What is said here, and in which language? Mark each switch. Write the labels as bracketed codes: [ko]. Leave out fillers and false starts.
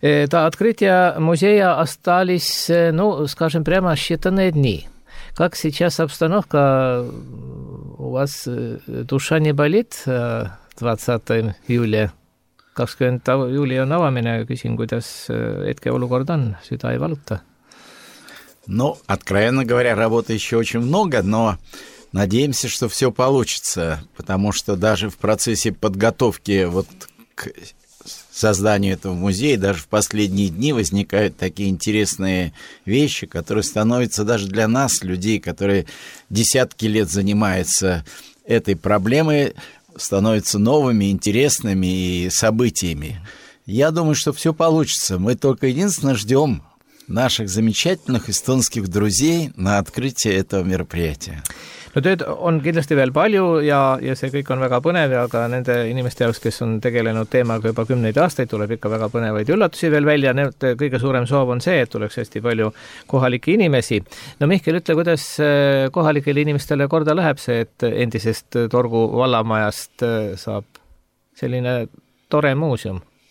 [ru] Ta otkritja muzeja ostalis, no, skažem prema, šitane dni. Как сейчас обстановка? У вас душа не болит 20 июля? [et] 20 [ru] июля [et] on avamine. Küsin, kuidas hetke olukord on. Süda ei valuta. [ru] Ну, откровенно говоря, работы еще очень много, но надеемся, что все получится, потому что даже в процессе подготовки вот к созданию этого музея, даже в последние дни возникают такие интересные вещи, которые становятся даже для нас, людей, которые десятки лет занимаются этой проблемой, становятся новыми, интересными и событиями. Я думаю, что все получится. Мы только единственно ждем наших замечательных эстонских друзей на открытие этого мероприятия. [et] No tööd on kindlasti veel palju ja see kõik on väga põnev, aga nende inimeste jaoks, kes on tegelenud teemaga juba kümneid aastaid, tuleb ikka väga põnevaid üllatusi veel välja. Nende kõige suurem soov on see, et tuleks hästi palju kohalike inimesi. No Mihkel, ütle, kuidas kohalikele inimestele korda läheb see, et endisest Torgu vallamajast saab selline tore muusium?